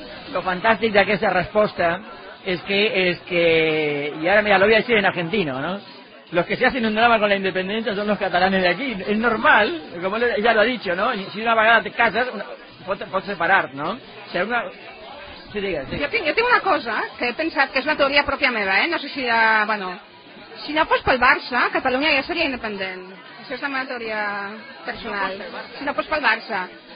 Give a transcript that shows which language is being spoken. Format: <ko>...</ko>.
<ca>Lo fantàstic d'aquesta resposta...</ca> <es>Es que, y ahora mira, lo voy a decir en argentino, ¿no? Los que se hacen un drama con la independencia son los catalanes de aquí. Es normal, como ya lo ha dicho, ¿no? Si una vagada te casas, puedes separar, ¿no? Si alguna... Sí, diga, sí. Yo tengo una cosa que he pensado, que es una teoría propia meva, ¿eh? No sé si ya, bueno...</es> <ca>Si no fos pel Barça, Catalunya ja seria independent. Això és la meva teoria personal. Si no fos pel Barça...</ca>